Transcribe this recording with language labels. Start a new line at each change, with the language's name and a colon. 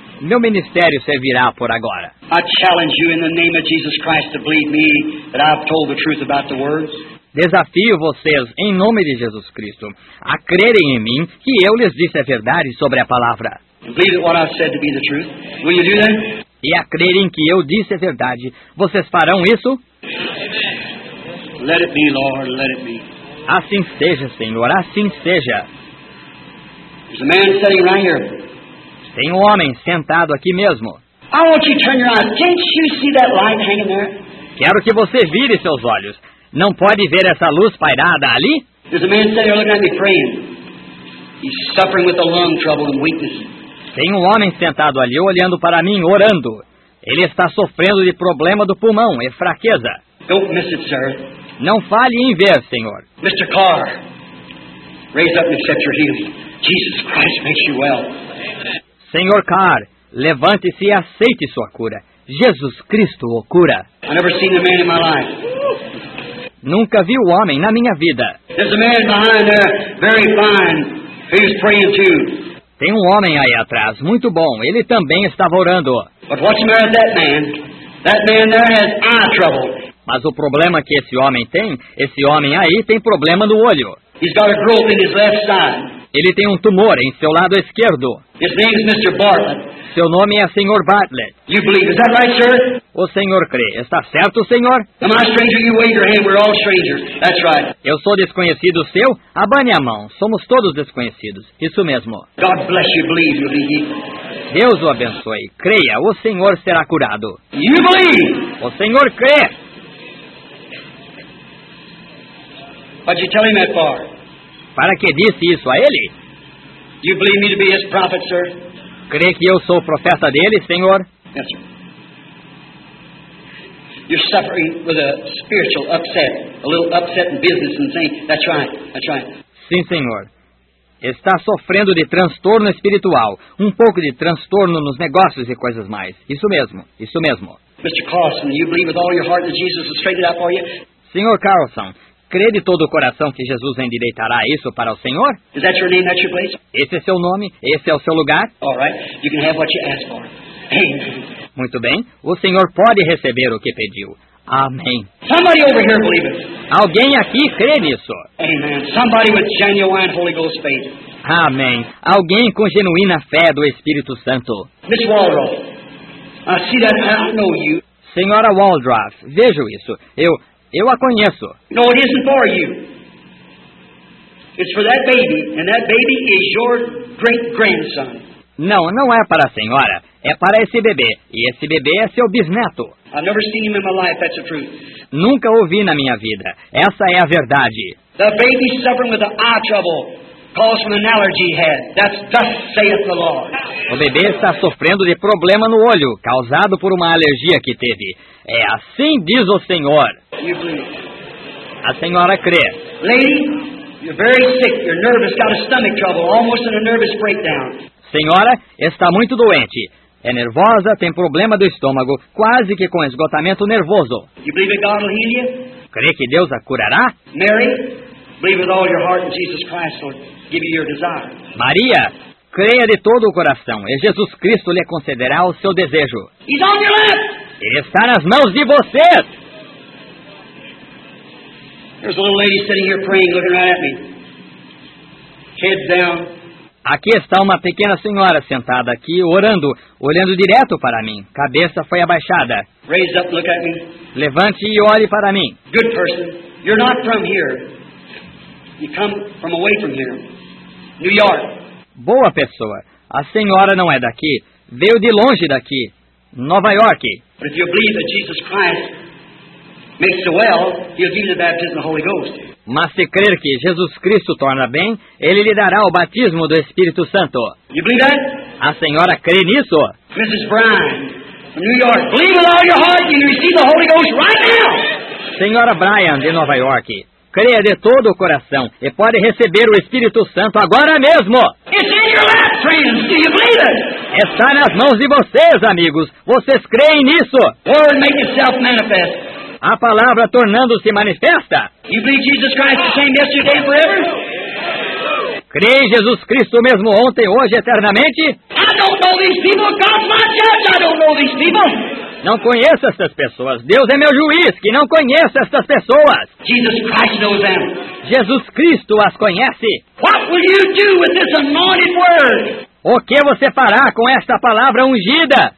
Portuguese: Meu ministério servirá por agora.
English: I challenge you in the name of Jesus Christ to believe me that I've told the truth about the words.
Portuguese: Desafio vocês em nome de Jesus Cristo a crerem em mim que eu lhes disse a verdade sobre a palavra.
English: Believe what I've said to be the truth. Will you do that?
Portuguese: E a crerem que eu disse a verdade, vocês farão isso?
English: Let it be, Lord, let it be.
Portuguese: Assim seja, Senhor, assim seja.
English: There's a man sitting right here.
Portuguese: Tem um homem sentado aqui mesmo.
English: I want you to turn your eyes. Can't you see that light hanging there?
Portuguese: Quero que você vire seus olhos. Não pode ver essa luz pairada ali?
English: There's a man sitting there looking at me praying. He's suffering with a lung trouble and weakness.
Portuguese: Tem um homem sentado ali olhando para mim, orando. Ele está sofrendo de problema do pulmão e fraqueza.
English: Don't miss it, sir.
Portuguese: Não fale em ver, senhor.
English: Mr. Carr, raise up and accept your healing. Jesus Christ makes you well.
Portuguese: Senhor Carr, levante-se e aceite sua cura. Jesus Cristo o cura.
English: I've never seen a man in my life.
Portuguese: Nunca vi um homem na minha vida.
English: There's a man behind there, very fine. He's praying too.
Portuguese: Tem um homem aí atrás, muito bom. Ele também estava orando.
English: But what's the matter with that man? That man there has eye trouble.
Portuguese: Mas o problema que esse homem aí tem problema no olho.
English: He's got a growth in his left side.
Portuguese: Ele tem um tumor em seu lado esquerdo.
English: His name is Mr. Bartlett.
Portuguese: seu nome é Sr. Bartlett.
English: You believe, is that right, sir?
Portuguese: O senhor crê. Está certo, senhor?
English: Am I a stranger? You wave your hand. We're all strangers. That's right.
Portuguese: Eu sou desconhecido seu? Abane a mão. Somos todos desconhecidos. Isso mesmo.
English: God bless you. Believe you'll be healed.
Portuguese: Deus o abençoe. Creia, o senhor será curado.
English: You believe.
Portuguese: O senhor crê.
English: What'd you tell him that for?
Portuguese: Para que disse isso a ele?
English: You believe me to be his prophet, sir?
Portuguese: Crê que eu sou o profeta dele, senhor?
English: Yes, sir. You're suffering with a spiritual upset, a little upset in business and saying, that's right, that's right.
Portuguese: Sim, senhor. Está sofrendo de transtorno espiritual, um pouco de transtorno nos negócios e coisas mais. Isso mesmo, isso mesmo.
English: Mr. Carlson, you believe with all your heart that Jesus has straightened out for you?
Portuguese: Senhor Carlson, crê de todo o coração que Jesus endireitará isso para o senhor?
English: Is that your name? That's your place?
Portuguese: Esse é seu nome? Esse é o seu lugar?
English: All right. You can have what you ask for. Amen.
Portuguese: Muito bem. O senhor pode receber o que pediu. Amém.
English: Somebody over here believe it.
Portuguese: Alguém aqui crê nisso.
English: Amen. Somebody with genuine Holy Ghost faith.
Portuguese: Amém. Alguém com genuína fé do Espírito Santo.
English: Miss Waldrop, I see that. I don't know you.
Portuguese: Senhora Waldrop, vejo isso. Eu a conheço.
English: No, it isn't for you. It's for that baby, and that baby is your great-grandson.
Portuguese: Não, não é para a senhora. É para esse bebê. E esse bebê é seu bisneto.
English: I've never seen him in my life. That's the truth.
Portuguese: Nunca o vi na minha vida. Essa é a verdade.
English: The baby suffering with the eye trouble calls from an allergy head. That's thus saith the Lord.
Portuguese: O bebê está sofrendo de problema no olho, causado por uma alergia que teve. É assim diz o Senhor.
English: You believe.
Portuguese: A senhora crê.
English: Lady, you're very sick. Your nerve has got a stomach trouble, almost in a nervous breakdown.
Portuguese: Senhora, está muito doente. É nervosa, tem problema do estômago, quase que com esgotamento nervoso.
English: You believe that God will heal you?
Portuguese: Crê que Deus a curará?
English: Mary, believe with all your heart in Jesus Christ will give you your desire.
Portuguese: Maria, creia de todo o coração e Jesus Cristo lhe concederá o seu desejo.
English: He's on your left.
Portuguese: Ele está nas mãos de vocês.
English: There's a little lady sitting here praying, looking right at me. Head down.
Portuguese: Aqui está uma pequena senhora sentada aqui, orando, olhando direto para mim. Cabeça foi abaixada.
English: Raise up, look at me.
Portuguese: Levante e olhe para mim.
English: Good person. You're not from here. You come from away from here. New York.
Portuguese: Boa pessoa. A senhora não é daqui. Veio de longe daqui. Nova York.
English: But if you believe that Jesus Christ makes you well, he'll give you the baptism of the Holy Ghost.
Portuguese: Mas se crer que Jesus Cristo torna bem, ele lhe dará o batismo do Espírito Santo.
English: You believe that?
Portuguese: A senhora crê nisso?
English: Mrs. Brown, from New York, believe with all your heart and receive the Holy Ghost right now.
Portuguese: Senhora Brian, de Nova York, creia de todo o coração e pode receber o Espírito Santo agora mesmo.
English: It's in your lap, friends. Do you believe it?
Portuguese: Está nas mãos de vocês, amigos. Vocês creem nisso?
English: Word make itself manifest.
Portuguese: A palavra tornando-se manifesta.
English: You believe Jesus Christ the same yesterday and forever?
Portuguese: Crê em Jesus Cristo mesmo ontem, hoje, eternamente?
English: I don't know these people. God's my judge. I don't know these people.
Portuguese: Não conheço essas pessoas. Deus é meu juiz, que não conheço essas pessoas.
English: Jesus Christ knows them.
Portuguese: Jesus Cristo as conhece.
English: What will you do with this anointed word?
Portuguese: O que você fará com esta palavra ungida?